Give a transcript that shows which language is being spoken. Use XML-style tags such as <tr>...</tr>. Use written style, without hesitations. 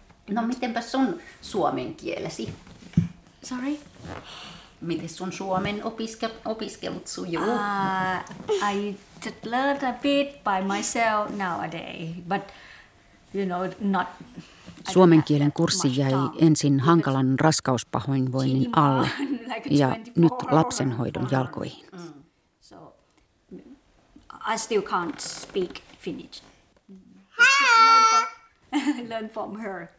<fi>No mitenpä sun suomen kielesi?</fi> <en>Sorry.</en> <fi>Miten sun suomen opiskelut sujuu?</fi> <en>I just learned a bit by myself nowadays, but you know, not.</en> <fi>Suomen kielen kurssi jäi ensin hankalan raskauspahoinvoinnin alle ja nyt lapsenhoidon jalkoihin.</fi> <en>I still can't speak Finnish. Learn from her.</en>